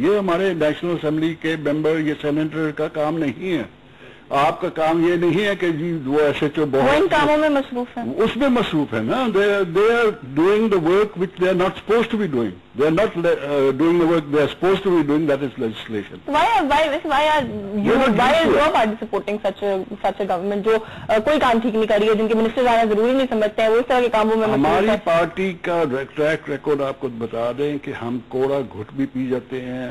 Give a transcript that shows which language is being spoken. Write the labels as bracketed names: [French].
[Urdu] یہ ہمارے national assembly کے ممبر یا سینیٹر کا کام نہیں ہے. آپ کا کام یہ نہیں ہے کہ جی وہ ایس ایچ او بہت ان کاموں میں مصروف ہیں، اس میں مصروف ہیں نا. [English] They are doing the work which they are not suppose to be doing, they are not doing the work they are suppose to be doing, that is legislation. Why are you participating such a government [Urdu] جو کوئی کام ٹھیک نہیں کر رہی ہے، جن کے minister آنا ضروری نہیں سمجھتے ہیں، وہ اس طرح کے کاموں میں. ہماری پارٹی کا ٹریک ریکارڈ آپ کو بتا دیں کہ ہم کوڑا گھٹ بھی پی جاتے ہیں.